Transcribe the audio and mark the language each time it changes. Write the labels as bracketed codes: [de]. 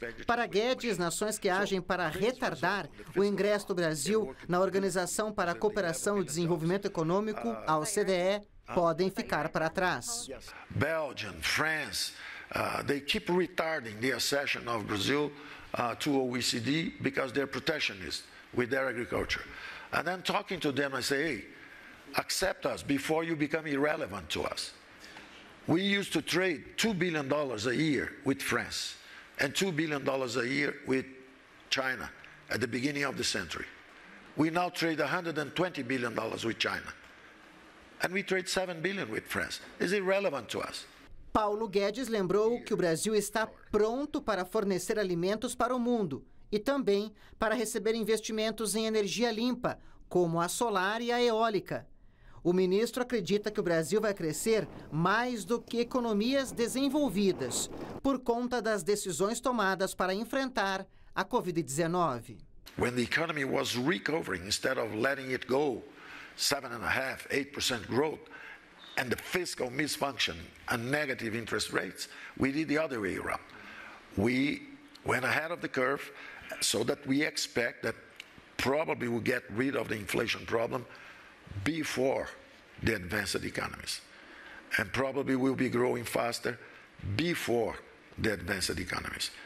[pt] Para Guedes, nações que agem para retardar o ingresso do Brasil na Organização para a Cooperação e Desenvolvimento Econômico, a OCDE, podem ficar para trás. Bélgica, França, eles continuam retardando a acessão do Brasil para a OECD porque são protecionistas com sua agricultura. [en] And then talking to them, I say, hey, accept us before you become irrelevant to us. We used to trade $2 billion a year with France and $2 billion a year with China at the beginning of the century. We now trade $120 billion with China. And we trade $7 billion with France. Is it relevant to us? [pt] Paulo Guedes lembrou que o Brasil está pronto para fornecer alimentos para o mundo. E também para receber investimentos em energia limpa, como a solar e a eólica. O ministro acredita que o Brasil vai crescer mais do que economias desenvolvidas, por conta das decisões tomadas para enfrentar a Covid-19. Quando a economia estava se recuperando, em vez de deixar ela ir, 7,5%, 8% de crescimento, e o fiscal desfuncionamento e negativos [en] interest rates, [pt] nós fizemos de outra maneira. Nós fomos [en] ahead of the curve. So that we expect that probably we'll get rid of the inflation problem before the advanced economies. And probably we'll be growing faster before the advanced economies.